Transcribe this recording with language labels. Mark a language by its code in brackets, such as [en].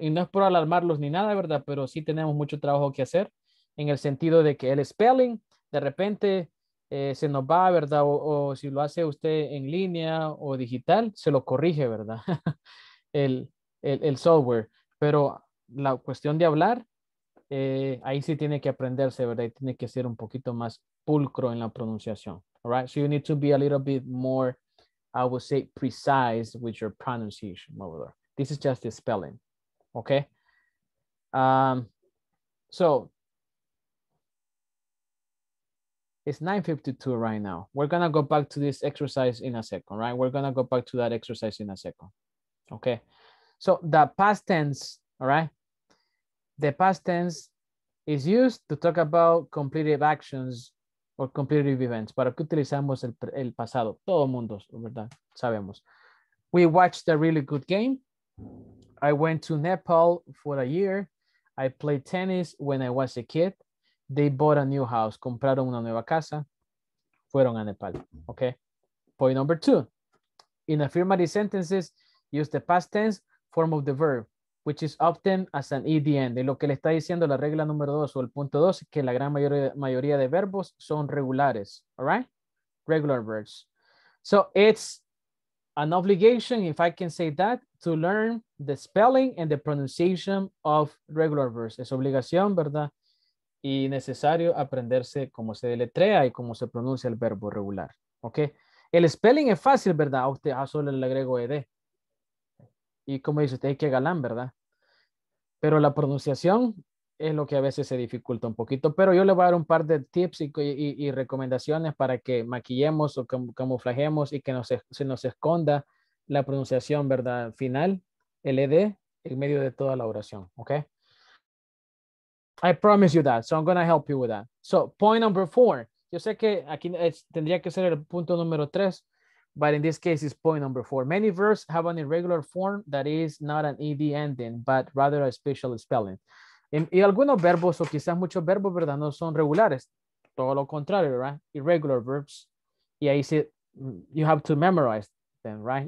[es] Y no es por alarmarlos ni nada, ¿verdad? Pero sí tenemos mucho trabajo que hacer en el sentido de que el spelling, de repente, se nos va, ¿verdad? O si lo hace usted en línea o digital, se lo corrige, ¿verdad? el software. Pero la cuestión de hablar, ahí sí tiene que aprenderse, ¿verdad? Y tiene que ser un poquito más pulcro en la pronunciación. [en] All right, so you need to be a little bit more, I would say, precise with your pronunciation over there. This is just the spelling, okay? So it's 9:52 right now. We're gonna go back to this exercise in a second, right? We're gonna go back to that exercise in a second, okay? So the past tense, all right? The past tense is used to talk about completed actions or completed events. [es] ¿Para qué utilizamos el pasado? Todo mundo, ¿verdad? Sabemos. [en] We watched a really good game. I went to Nepal for a year. I played tennis when I was a kid. They bought a new house. [es] Compraron una nueva casa. Fueron a Nepal. [en] Okay. Point number two. In affirmative sentences, use the past tense form of the verb, which is often as an ed end. [es] Lo que le está diciendo la regla número dos o el punto dos es que la gran mayoría de verbos son regulares, [en] all right? Regular verbs. So it's an obligation, if I can say that, to learn the spelling and the pronunciation of regular verbs. [es] Es obligación, ¿verdad? Y necesario aprenderse cómo se deletrea y cómo se pronuncia el verbo regular, okay? El spelling es fácil, ¿verdad? A usted solo le agrego ed. Y como dice usted, hay que galán, ¿verdad? Pero la pronunciación es lo que a veces se dificulta un poquito. Pero yo le voy a dar un par de tips y recomendaciones para que maquillemos o camuflajemos y que se nos esconda la pronunciación, ¿verdad? Final, el ED, en medio de toda la oración, ¿ok? [en] I promise you that, so I'm going to help you with that. So, point number four. [es] Yo sé que aquí tendría que ser el punto número tres. [en] But in this case, it's point number four. Many verbs have an irregular form that is not an ed ending, but rather a special spelling. [es] Y algunos verbos, o quizás muchos verbos, ¿verdad? No son regulares. Todo lo contrario, [en] right? Irregular verbs. [es] Y ahí sí, [en] you have to memorize them, right?